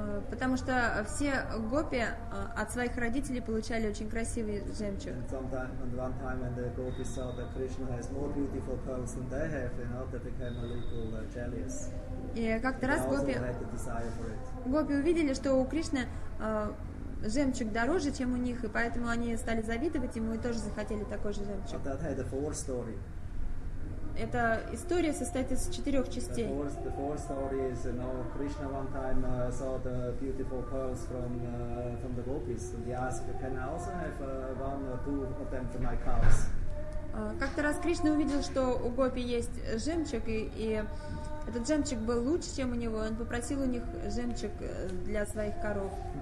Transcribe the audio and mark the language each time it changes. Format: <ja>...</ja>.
<ru>Потому что все гопи от своих родителей получали очень красивый жемчуг.</ru> <en>And one time when the gopis saw that Krishna has more beautiful pearls than they have, you know, they became a little jealous.</en> <ru>И как-то раз гопи увидели, что у Кришны жемчуг дороже, чем у них, и поэтому они стали завидовать ему и тоже захотели такой же жемчуг.</ru> <en>But that had a four story.</en> <ru>Эта история состоит из четырех частей.</ru> <en>The four stories, you know, Krishna one time saw the beautiful pearls from the gopis, and he asked, "Can I also have one or two of them for my cows?"</en> <ru>Как-то раз Кришна увидел, что у гопи есть жемчуг, и этот жемчуг был лучше, чем у него. Он попросил у них жемчуг для своих коров.</ru>